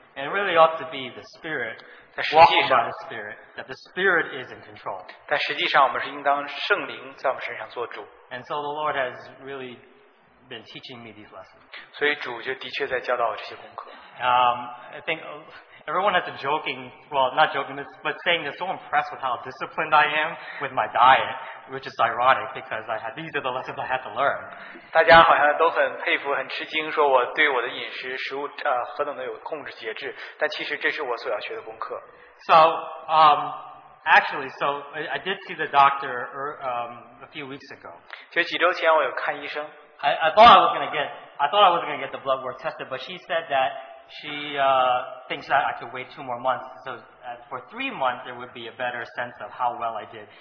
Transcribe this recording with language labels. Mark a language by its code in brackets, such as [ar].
[en] And it really ought to be the Spirit, walking by the Spirit, that the Spirit is in control. [zh] 但实际上我们是应当圣灵在我们身上做主。 [en] And so the Lord has really been teaching me these lessons. [zh] 所以主就的确在教导我这些功课。 [en] I think everyone has a joking, well, not joking, but saying they're so impressed with how disciplined I am with my diet, which is ironic because these are the lessons I had to learn. [zh] 大家好像都很佩服，很吃惊，说我对我的饮食、食物何等的有控制节制，但其实这是我所要学的功课。 [en] So, I did see the doctor a few weeks ago. [zh] 就几周前我有看医生。 [en] I thought I was going to get the blood work tested, but she said that she thinks that I could wait 2 more months. So for 3 months, there would be a better sense of how well I did.